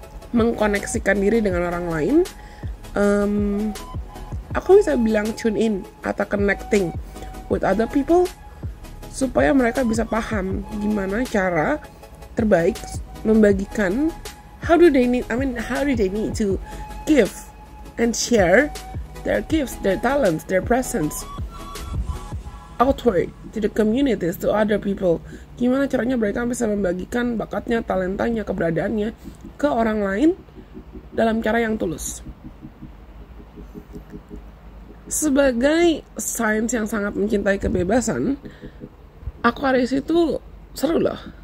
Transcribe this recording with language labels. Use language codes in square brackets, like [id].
[id] Mengkoneksikan diri dengan orang lain, aku bisa bilang [en] tune in [id] atau [en] connecting with other people [id] supaya mereka bisa paham gimana cara terbaik membagikan. [en] How do they need to give and share their gifts, their talents, their presence outward to the communities, to other people. [id] Gimana caranya mereka bisa membagikan bakatnya, talentanya, keberadaannya ke orang lain dalam cara yang tulus. Sebagai sains yang sangat mencintai kebebasan, Aquarius itu seru loh.